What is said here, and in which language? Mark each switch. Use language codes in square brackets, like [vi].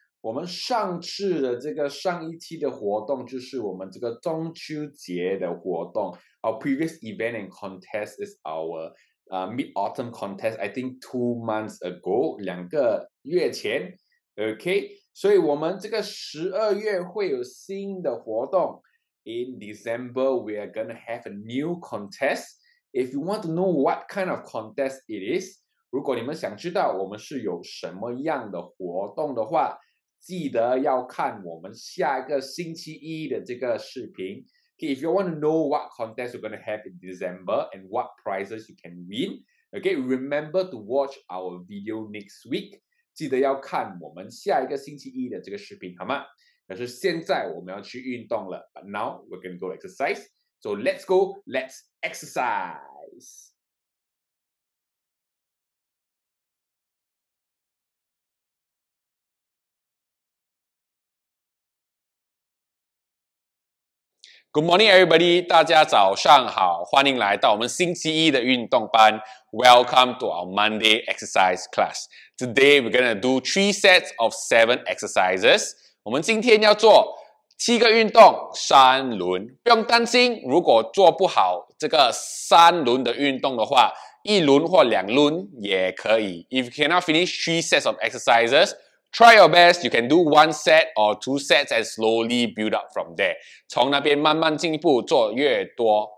[zh] 我们上次的这个上一期的活动就是我们这个中秋节的活动。 [en] Our previous event and contest is our mid-autumn contest. I think 2 months ago, [zh] 两个月前。 OK, 所以我们这个十二月会有新的活动。 [en] In December, we are going to have a new contest. If you want to know what kind of contest it is, [zh] 如果你们想知道我们是有什么样的活动的话，记得要看我们下一个星期一的这个视频。 [en] Okay, if you want to know what contest we're going to have in December and what prizes you can win, okay, remember to watch our video next week. [zh] 记得要看我们下一个星期一的这个视频，好吗？可是现在我们要去运动了。 [en] But now we're going to go exercise. So let's go, let's exercise. Good morning, everybody. [zh] 大家早上好，欢迎来到我们星期一的运动班。 [en] Welcome to our Monday exercise class. Today, we're going to do 3 sets of 7 exercises. [zh] 我们今天要做七个运动，三轮，不用担心。如果做不好这个三轮的运动的话，一轮或两轮也可以。 [en] If you cannot finish 3 sets of exercises, try your best. You can do 1 set or 2 sets and slowly build up from there. [zh] 从那边慢慢进步，做越多。